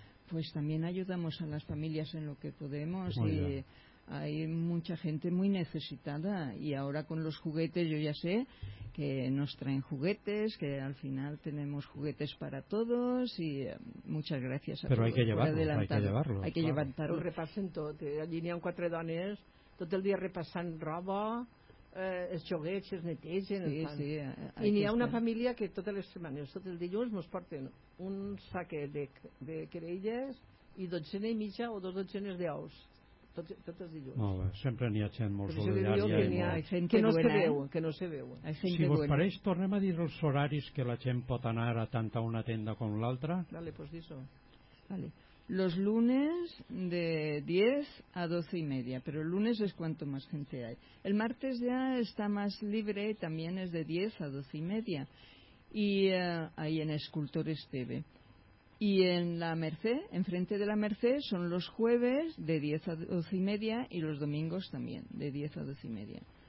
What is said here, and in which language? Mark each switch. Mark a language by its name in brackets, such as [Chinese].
[Spanish] Pues también ayudamos a las familias en lo que podemos muy y bien. Hay mucha gente muy necesitada y ahora con los juguetes yo ya sé que nos traen juguetes, que al final tenemos juguetes para todos y muchas gracias a pero todos. Pero hay que llevarlos. [Catalan] Lo repasen tot. Allí n'hi ha quatre dones, tot el dia repassant roba, els joguets, els netegen, sí, els fan. Sí, i n'hi ha una família que totes les setmanes, tot el dilluns, ens porten un sac de creïlles i dotzena i mitja o dos dotzenes d'ous. Tot els dilluns. Molt bé. Sempre n'hi ha gent molt solidària. Que, que no se veu. Si vos pareix, tornem a dir els horaris que la gent pot anar a tant a una tenda com l'altra. Vale, pues dis-ho. Vale. [Spanish] Los lunes de 10 a 12 y media, pero el lunes es cuanto más gente hay. El martes ya está más libre, también es de 10 a 12 y media, y ahí en Escultores TV. Y en la Merced, enfrente de la Merced, son los jueves de 10 a 12 y media y los domingos también de 10 a 12 y media.